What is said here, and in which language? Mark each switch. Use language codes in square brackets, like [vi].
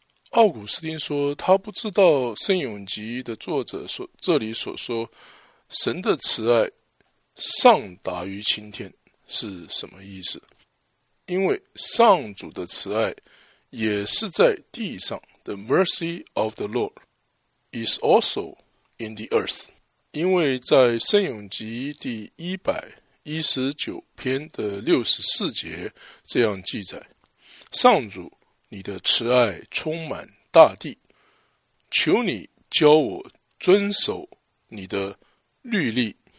[zh] 奥古斯丁说，他不知道圣咏集的作者说这里所说神的慈爱上达于青天是什么意思，因为上主的慈爱也是在地上。 [en] The mercy of the Lord is also in the earth。 [zh] 因为在圣咏集第119篇的64节这样记载，上主你的慈爱充满大地，求你教我遵守你的律例。